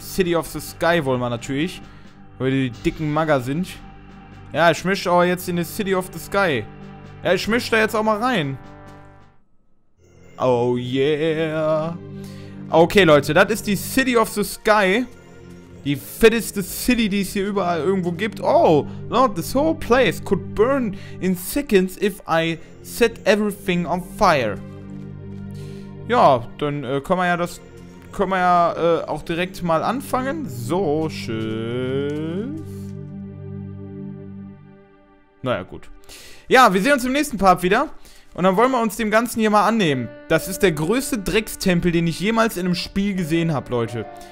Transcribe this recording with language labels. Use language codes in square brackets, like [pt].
[de] City of the Sky wollen wir natürlich, weil die dicken Magger sind. Ja, ich mische auch jetzt in die City of the Sky. Ja, ich mische da jetzt auch mal rein. [en] Oh yeah. [de] Okay, Leute, das ist die City of the Sky. Die fetteste City, die es hier überall irgendwo gibt. [en] Oh, Lord, this whole place could burn in seconds if I set everything on fire. [de] Ja, dann können wir ja auch direkt mal anfangen. So, tschüss. Naja, gut. Ja, wir sehen uns im nächsten Part wieder. Und dann wollen wir uns dem Ganzen hier mal annehmen. Das ist der größte Dreckstempel, den ich jemals in einem Spiel gesehen habe, Leute.